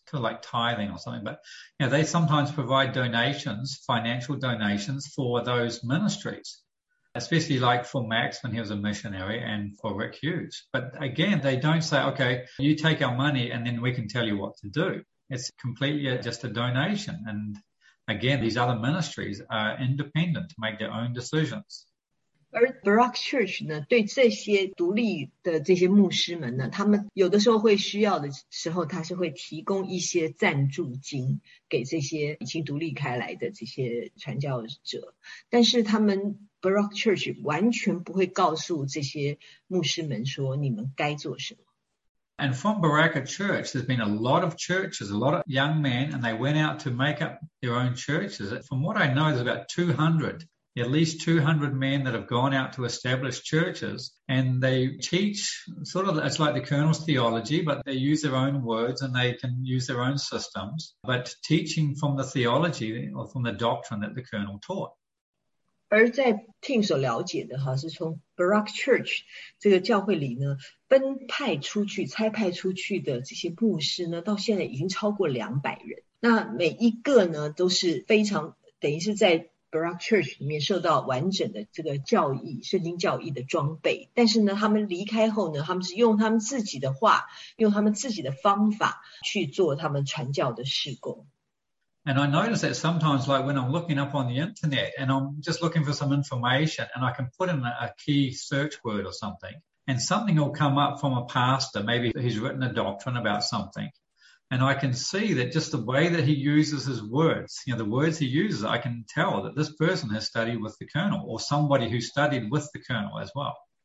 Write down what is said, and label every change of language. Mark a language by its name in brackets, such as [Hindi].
[English] Like tithing or something, but you know, they sometimes provide donations, financial donations for those ministries, especially like for Max when he was a missionary and for Rick Hughes. But again, they don't say, okay, you take our money and then we can tell you what to do. It's completely just a donation. And again, these other ministries are independent to make their own decisions. [Chinese] 而 Baraka Church 呢，对这些独立的这些牧师们呢，他们有的时候会需要的时候，他是会提供一些赞助金给这些已经独立开来的这些传教者。但是他们 Baraka Church 完全不会告诉这些牧师们说你们该做什么。And [English] from Baraka Church, there's been a lot of churches, a lot of young men, and they went out to make up their own churches. From what I know, there's about 200. At least 200 men that have gone out to establish churches, and they teach sort of, it's like the colonel's theology, but they use their own words and they can use their own systems, but teaching from the theology or from the doctrine that the colonel taught. [Chinese] 而在Tim所了解的是从 Baraka Church 这个教会里呢, 分派出去, 拆派出去的这些牧师呢, 到现在已经超过200人。那每一个呢, 都是非常, 等于是在 Baraka Church 里面受到完整的这个教义，圣经教义的装备。但是呢，他们离开后呢，他们是用他们自己的话，用他们自己的方法去做他们传教的事工。And [English] I notice that sometimes, like when I'm looking up on the internet and I'm just looking for some information, and I can put in a key search word or something, and something will come up from a pastor. Maybe he's written a doctrine about something. And I can see that just the way that he uses his words, you know, the words he uses, I can tell that this person has studied with the colonel or somebody who studied with the colonel as well.